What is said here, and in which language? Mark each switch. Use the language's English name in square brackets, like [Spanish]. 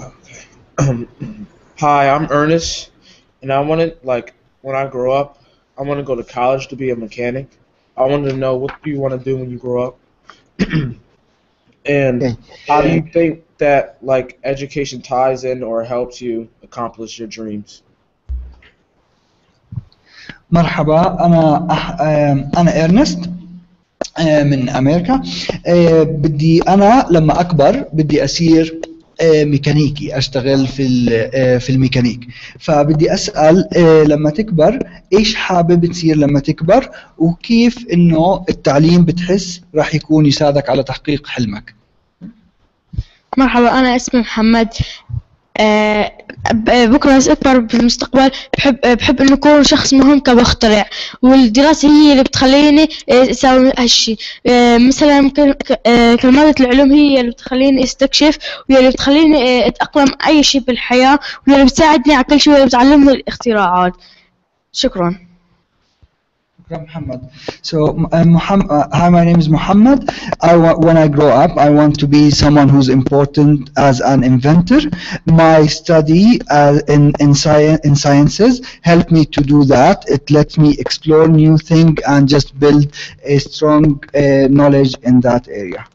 [English] Okay. Hi, I'm Ernest, and I wanted, like, when I grow up, I want to go to college to be a mechanic. I wanted to know, what do you want to do when you grow up? And how do you think that, like, education ties in or helps you accomplish your dreams? [Arabic] مرحبا انا ارنست من امريكا بدي انا لما اكبر بدي اصير ميكانيكي اشتغل في الميكانيك فبدي اسال لما تكبر ايش حابب تصير لما تكبر وكيف انه التعليم بتحس راح يكون يساعدك على تحقيق حلمك مرحبا انا اسمي محمد بكرة أكبر بالمستقبل بحب أن أكون شخص مهم كمخترع والدراسة هي اللي بتخليني أساوي هالشي مثلا كمادة العلوم هي اللي بتخليني أستكشف واللي بتخليني أتأقلم أي شيء بالحياة واللي بتساعدني على كل شيء واللي بتعلمني الاختراعات شكرا [English] Muhammad. So hi, my name is Muhammad. When I grow up, I want to be someone who's important as an inventor. My study in sciences helped me to do that. It lets me explore new things and just build a strong knowledge in that area.